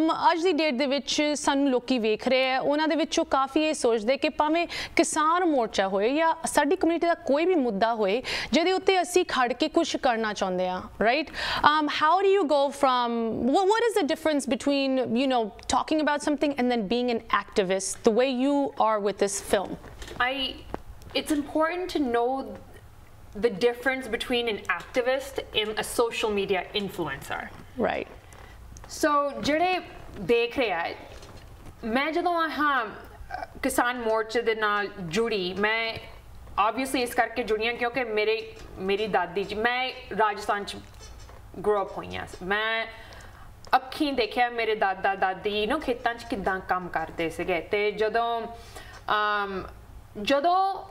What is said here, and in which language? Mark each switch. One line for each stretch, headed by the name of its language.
Punjabi: ਅੱਜ ਦੀ ਡੇਟ ਦੇ ਵਿੱਚ ਸਾਨੂੰ ਲੋਕ ਵੇਖ ਰਹੇ ਆ, ਉਹਨਾਂ ਦੇ ਵਿੱਚੋਂ ਕਾਫੀ ਇਹ ਸੋਚਦੇ ਕਿ ਭਾਵੇਂ ਕਿਸਾਨ ਮੋਰਚਾ ਹੋਏ ਜਾਂ ਸਾਡੀ ਕਮਿਊਨਿਟੀ ਦਾ ਕੋਈ ਵੀ ਮੁੱਦਾ ਹੋਏ ਜਿਹਦੇ ਉੱਤੇ ਅਸੀਂ ਖੜ ਕੇ ਕੁਛ ਕਰਨਾ ਚਾਹੁੰਦੇ ਹਾਂ, right?
English: How do you go from, what is the difference between you know talking about something and then being an activist the way you are with this film? It's important to know the difference between an activist and a social media influencer. Right.
Punjabi: So jede dekh rahe hai, ਮੈਂ ਜਦੋਂ ਹਾਂ ਕਿਸਾਨ ਮੋਰਚੇ ਦੇ ਨਾਲ ਜੁੜੀ, ਮੈਂ obviously ਇਸ ਕਰਕੇ ਜੁੜੀ ਹਾਂ ਕਿਉਂਕਿ ਮੇਰੀ ਦਾਦੀ 'ਚ, ਮੈਂ ਰਾਜਸਥਾਨ 'ਚ ਗਰੋ ਅਪ ਹੋਈ ਹਾਂ, ਮੈਂ ਅੱਖੀਂ ਦੇਖਿਆ ਮੇਰੇ ਦਾਦਾ ਦਾਦੀ ਨੂੰ ਖੇਤਾਂ 'ਚ ਕਿੱਦਾਂ ਕੰਮ ਕਰਦੇ ਸੀਗੇ, ਅਤੇ ਜਦੋਂ